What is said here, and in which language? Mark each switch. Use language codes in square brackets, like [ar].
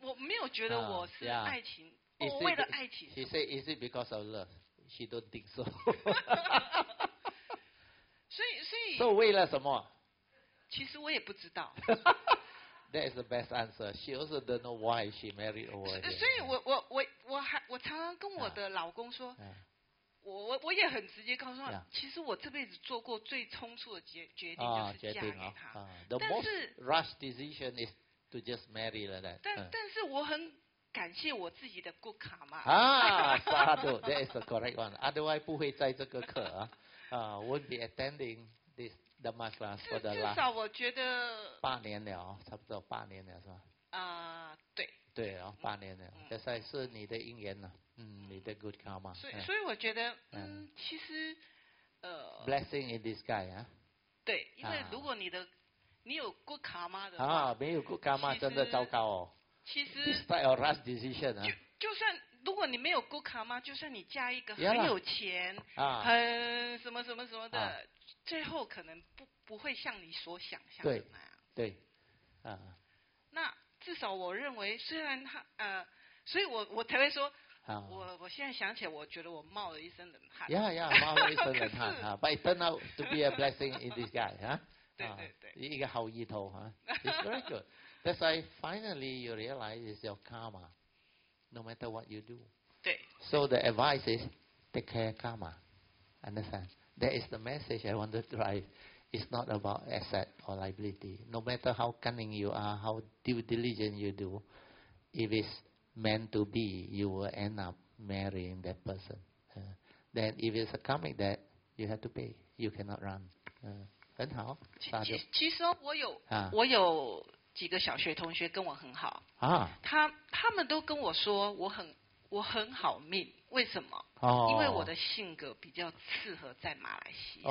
[zh] 我没有觉得我是爱情，我为了爱情。 [en] She said, "Is it because of love?" She don't think so。 [zh] 所以。 So 为了什么？其实我也不知道。 [en] That is the best answer. She also don't know why she married over here. [zh] 所以我常常跟我的老公说。我也很直接告诉他， yeah. 其实我这辈子做过最冲突的决定就是嫁给他。 [en] The most rush decision is to just marry like that. [zh] 但是我很感谢我自己的 good karma。 [en] That is the correct one. Otherwise, [zh] 不会在这个课啊， [en] won't be attending this Dharma class for the last. [zh] 至少我觉得八年了，差不多八年了是吧？对。对啊，八年了，这才是你的姻缘呢。你的 good karma。所以我觉得，其实， [en] blessing in disguise 啊。 [zh] 对，因为如果你有 good karma 的话，没有 good karma 真的糟糕哦。其实 [en] ，despite a rash decision 啊。 [zh] 就算如果你没有 good karma， 就算你嫁一个很有钱，很什么什么什么的，最后可能不会像你所想象的那样。对，那至少我认为，虽然他所以我才会说。我现在想起来，我觉得我冒了一身冷汗。冒了一身冷汗啊！ [en] But it turned out to be a blessing in this guy, [zh] 对对对，一个好意头啊。 [en] It's very good. That's why finally you realize it's your karma, no matter what you do. 对。 So the advice is take care of karma. Understand? That is the message I want to drive. It's not about asset or liability. No matter how cunning you are, how due diligence you do, if it'sMeant to be, you will end up marrying that person. Then, if it's a karmic debt, you have to pay. You cannot run. [zh] 很好，沙丘。其实我有几个小学同学跟我很好啊。他们都跟我说我很好命。为什么？因为我的性格比较适合在马来西亚。